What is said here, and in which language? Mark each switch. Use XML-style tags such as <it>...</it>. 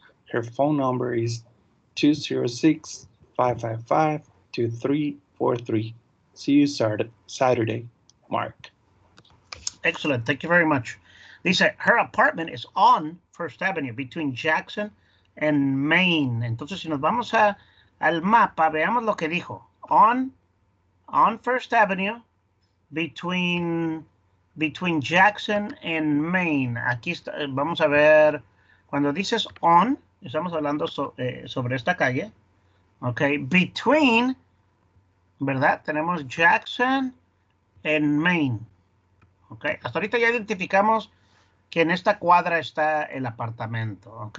<en>Her phone number is 206-555-2343. See you Saturday, Mark. Excellent. Thank you very much. Dice, her apartment is on First Avenue, between Jackson and Main.</en> <es>Entonces, si nos vamos al mapa, veamos lo que dijo.</es> <en>On First Avenue, between Jackson and Main.</en> <es>Aquí está, vamos a ver, cuando dices on, estamos hablando sobre esta calle. Ok, between, ¿verdad? Tenemos Jackson and Main. Ok, hasta ahorita ya identificamos que en esta cuadra está el apartamento, ¿ok?</es>